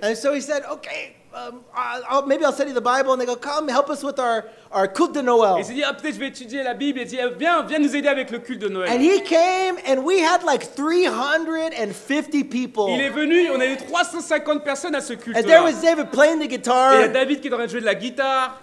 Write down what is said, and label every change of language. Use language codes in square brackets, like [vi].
[en] And so he said, okay, maybe I'll study the Bible. And they go, come, help us with our [fr] cult de Noël. Et il dit, peut-être je vais étudier la Bible. Et il dit, viens nous aider avec le culte de Noël. [en] And he came, and we had like 350 people. [fr] Il est venu, on a eu 350 personnes à ce culte-là. [en] And there was David playing the guitar. [fr] Et il y a David qui est en train de jouer de la guitare.